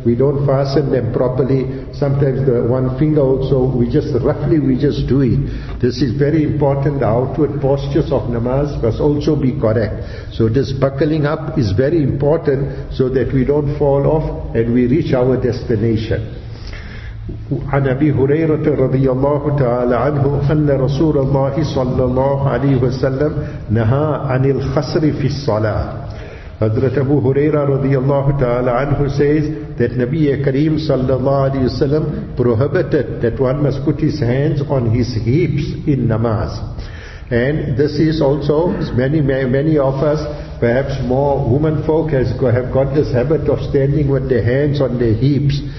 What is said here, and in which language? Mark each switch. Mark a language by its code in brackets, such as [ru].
[en] We don't fasten them properly. Sometimes the one finger also, we just do it. This is very important. The outward postures of namaz must also be correct. So this buckling up is very important so that we don't fall off and we reach our destination. [ar] عن أبي هريرة رضي الله تعالى عنه أن رسول الله صلى الله عليه وسلم نهى عن الخسر في الصلاة. [en] Hazrat Abu Huraira [ar] رضي الله تعالى عنه [en] says that Nabi Kareem [ar] صلى الله عليه وسلم [en] prohibited that one must put his hands on his hips in namaz. And this is also many of us, perhaps more women folk, have got this habit of standing with their hands on their hips.